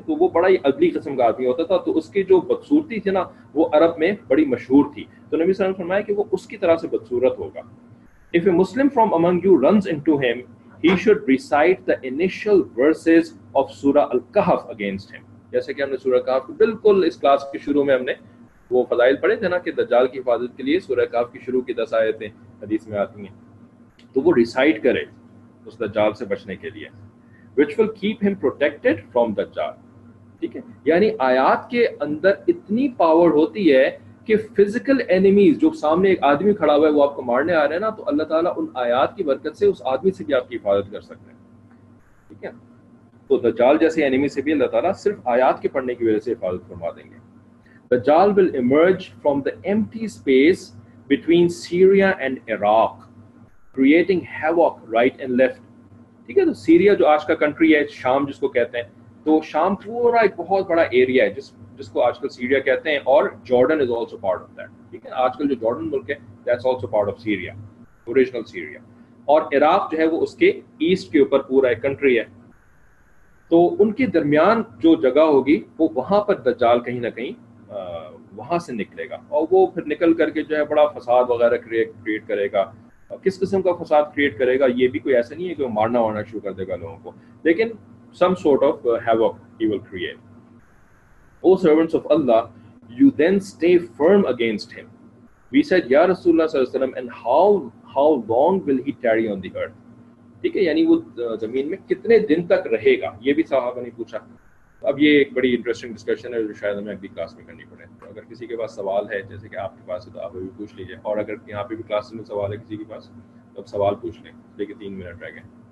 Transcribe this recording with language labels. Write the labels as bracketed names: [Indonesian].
[Urdu] تو وہ بڑا ہی اگلی قسم کا آدمی ہوتا تھا, تو اس کی جو بدصورتی تھی نا وہ عرب میں بڑی مشہور تھی. تو نبی صلی اللہ علیہ وسلم نے فرمایا کہ وہ اس کی طرح سے بدصورت ہوگا. [English] If a Muslim from among you runs into him, he should recite the initial verses of Surah Al-Kahf against him. [Urdu] جیسے کہ ہم نے سورہ کہف بالکل اس کلاس کے شروع میں ہم نے وہ فضائل پڑھے تھے نا کہ دجال کی حفاظت کے لیے سورہ کہف کی شروع کی 10 آیتیں حدیث میں آتی ہیں, تو وہ ریسائٹ کرے اس دجال سے بچنے کے لیے. [English] Which will keep him protected from Dajjal, [Urdu] ٹھیک ہے. یعنی آیات کے اندر اتنی پاور ہوتی ہے کہ فزیکل اینیمیز, جو سامنے ایک آدمی کھڑا ہوا ہے وہ آپ کو مارنے آ رہے ہیں نا, تو اللہ تعالیٰ ان آیات کی برکت سے اس آدمی سے بھی آپ کی حفاظت کر سکتے ہیں, ٹھیک ہے. تو دجال جیسے اینیمی سے بھی اللہ تعالیٰ صرف آیات کے پڑھنے کی وجہ سے حفاظت فرما دیں گے. [English] Dajjal will emerge from the empty space between Syria and Iraq, creating havoc right and left. [Urdu] ٹھیک ہے, تو سیریا جو آج کا کنٹری ہے, شام جس کو کہتے ہیں, تو شام پورا ایک بہت بڑا ایریا ہے جس کو آج کل سیریا کہتے ہیں, اور [English] Jordan is also part of that, [Urdu] ٹھیک ہے. آج کل جو جارڈن ملک ہے [English] that's also part of Syria, [Urdu] original Syria, اور عراق جو ہے وہ اس کے ایسٹ کے اوپر پورا ایک کنٹری ہے. تو ان کے درمیان جو جگہ ہوگی وہ وہاں پر دجال کہیں نہ کہیں وہاں سے نکلے گا, اور وہ پھر نکل کر کے جو ہے بڑا فساد وغیرہ کریٹ کرے گا. کس قسم کا فساد کریٹ کرے گا, یہ بھی کوئی ایسا نہیں ہے کہ وہ مارنا وارنا شروع کر دے گا لوگوں کو, لیکن [English] Some sort of havoc he will create. O servants of Allah, you then stay firm against him. We said, Ya Rasulullah sallallahu alaihi wasallam, and how long will he tarry on the earth? [Urdu] ٹھیک ہے, یعنی وہ زمین میں کتنے دن تک رہے گا, یہ بھی صحابہ نے پوچھا. اب یہ ایک بڑی انٹرسٹنگ ڈسکشن ہے جو شاید ہمیں اگلی کلاس میں کرنی پڑے. تو اگر کسی کے پاس سوال ہے, جیسے کہ آپ کے پاس ہے, تو آپ ابھی پوچھ لیجیے, اور اگر یہاں پہ بھی کلاس میں سوال ہے کسی کے پاس تو اب سوال پوچھ لیں, لیکن 3 منٹ رہ گئے.